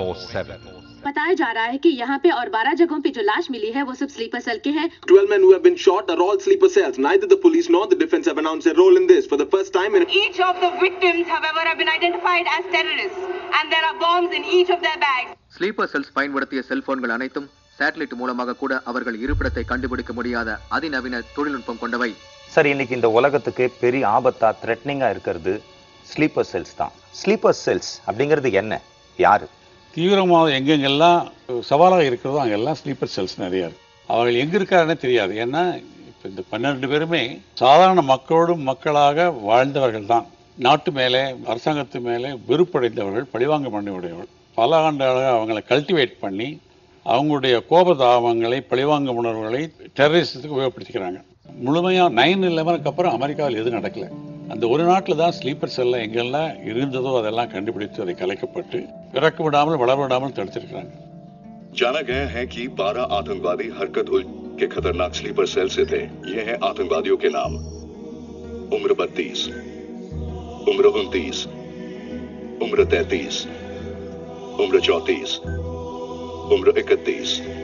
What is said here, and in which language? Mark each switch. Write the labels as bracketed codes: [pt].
[hi] बताया जा रहा है कि यहाँ पे और 12 जगहों पे जो लाश मिली है वो सब स्लीपर सेल के हैं। [en] 12 men who have been shot are all sleeper cells. Neither the police nor the defense have announced their role in this for the first time. Each of the victims, however, have been identified as terrorists, and there are bombs in each of their bags. [ta] Sleeper cells பயன்படுத்திய செல்போன்கள் அனைத்தும் satellite மூலமாக கூட அவர்கள் இருப்பிடத்தை கண்டுபிடிக்க முடியாத அதிநவீன தொழில்நுட்பம் கொண்டவை. சரி, இன்னைக்கு இந்த உலகத்துக்கு பெரிய ஆபத்தா த்ரெட்னிங்கா இருக்கிறது ஸ்லீப்பர் செல்ஸ் தான். ஸ்லீப்பர் செல்ஸ் அப்படிங்கிறது என்ன, யாரு? தீவிரமாக எங்கெங்கெல்லாம் சவாலாக இருக்கிறதோ அங்கெல்லாம் ஸ்லீப்பர் செல்ஸ் நிறையா இருக்கு. அவர்கள் எங்கே இருக்காருன்னு தெரியாது. ஏன்னா இப்போ இந்த 12 பேருமே சாதாரண மக்களோடும் மக்களாக வாழ்ந்தவர்கள் தான். நாட்டு மேலே அரசாங்கத்து மேலே வெறுப்படைந்தவர்கள், பழிவாங்க பண்ணியுடையவர்கள். பல ஆண்டுகளாக அவங்களை கல்டிவேட் பண்ணி அவங்களுடைய கோப தாபங்களை, பழிவாங்க உணர்வுகளை டெரரிசத்துக்கு உபயோகப்படுத்திக்கிறாங்க. முழுமையாக 9/11 அப்புறம் அமெரிக்காவில் எதுவும் நடக்கலை. அந்த ஒரு நாட்டில் தான் ஸ்லீப்பர் செல்ல எங்கெல்லாம் இருந்ததோ அதெல்லாம் கண்டுபிடித்து அதை கலைக்கப்பட்டு இறக்க விடாமல் வளர விடாமல் தடுத்திருக்கிறாங்க. [hi] जाना गया है कि 12 आतंकवादी हरकत उल के खतरनाक स्लीपर सेल से थे. ये हैं आतंकवादियों के नाम. उम्र 32, उम्र 29, उम्र 33, उम्र 34, उम्र 31.